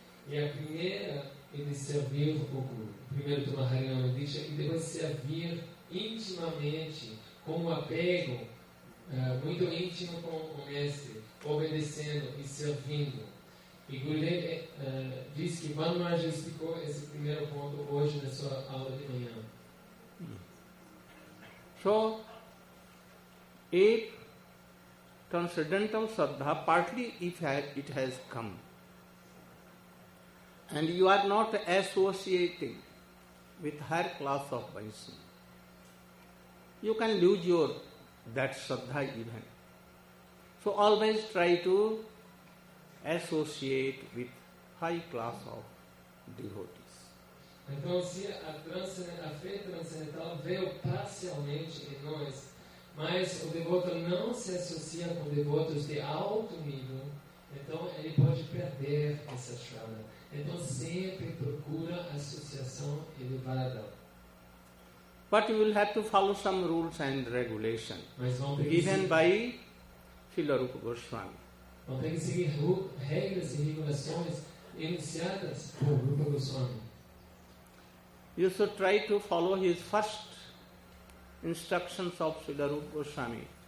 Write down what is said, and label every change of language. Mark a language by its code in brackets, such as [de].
[pt] E a primeira é de servir o Guru. Primeiro tomar Harinama Diksha e depois servir intimamente, com um apego muito íntimo com o Mestre, obedecendo e servindo. E Gurudev diz que Ban Maharaj explicou esse primeiro ponto hoje na sua aula de manhã. [en] So, if transcendental sadhā, partly if it has come, and you are not associating with higher class of Vaishnava, you can lose your that sadhā even. So always try to associate with high class of devotees. [pt] Então, se a fé transcendental veio parcialmente em nós, mas o devoto não se associa com devotos de alto nível, então ele pode perder essa chama. Então, sempre procura associação elevada. [en] But you will have to follow some rules and regulations given by Srila Rupa Goswami. [pt] Vão ter que seguir regras e regulações iniciadas por Rupa Goswami. [en] You should try to follow his first instructions of Srila Rupa Goswami.